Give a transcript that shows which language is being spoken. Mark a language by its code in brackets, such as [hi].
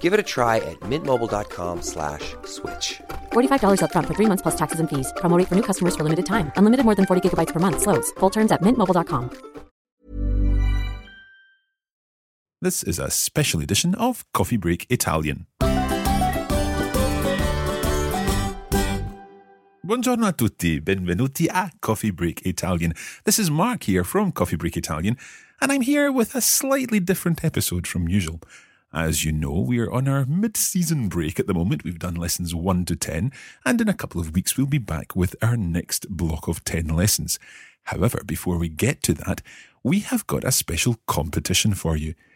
[en] Give it a try at mintmobile.com/switch. $45 up front for 3 months plus taxes and fees. Promo rate for new customers for limited time. Unlimited more than 40 gigabytes per month. Slows full terms at mintmobile.com. This is a special edition of Coffee Break Italian. [it] Buongiorno a tutti, benvenuti a Coffee Break Italian. [en] This is Mark here from Coffee Break Italian, and I'm here with a slightly different episode from usual. As you know, we are on our mid-season break at the moment. We've done lessons 1 to 10, and in a couple of weeks we'll be back with our next block of 10 lessons. However, before we get to that, we have got a special competition for you.